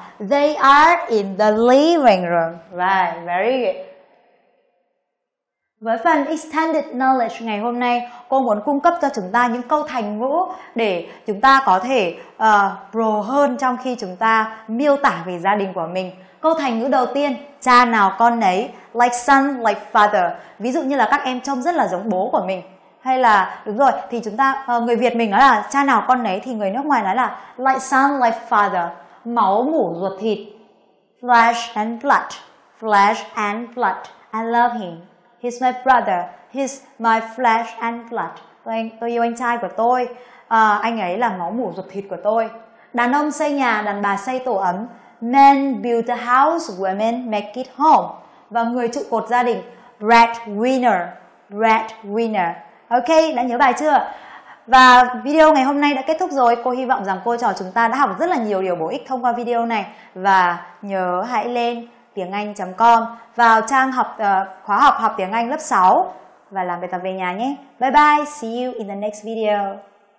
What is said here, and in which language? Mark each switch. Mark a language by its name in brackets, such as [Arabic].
[English] They are in the living room. Right, very good. [Vietnamese] Với phần extended knowledge ngày hôm nay, cô muốn cung cấp cho chúng ta những câu thành ngữ để chúng ta có thể pro hơn trong khi chúng ta miêu tả về gia đình của mình. Câu thành ngữ đầu tiên, cha nào con nấy, [English] like son, like father. [Vietnamese] Ví dụ như là các em trông rất là giống bố của mình. Hay là, đúng rồi, thì chúng ta, người Việt mình nói là cha nào con nấy thì người nước ngoài nói là [English] like son, like father. [Vietnamese] Máu mủ ruột thịt, [English] flesh and blood, flesh and blood. I love him. He's my brother. He's my flesh and blood. [Vietnamese] Tôi yêu anh trai của tôi. Anh ấy là máu mủ ruột thịt của tôi. Đàn ông xây nhà, đàn bà xây tổ ấm. [English] men build the house, women make it home. [Vietnamese] Và người trụ cột gia đình, breadwinner, breadwinner. Ok, đã nhớ bài chưa? Và video ngày hôm nay đã kết thúc rồi. Cô hy vọng rằng cô trò chúng ta đã học rất là nhiều điều bổ ích thông qua video này. Và nhớ hãy lên tiếnganh.com vào trang học khóa học học tiếng Anh lớp 6 và làm bài tập về nhà nhé. [English] Bye bye, see you in the next video.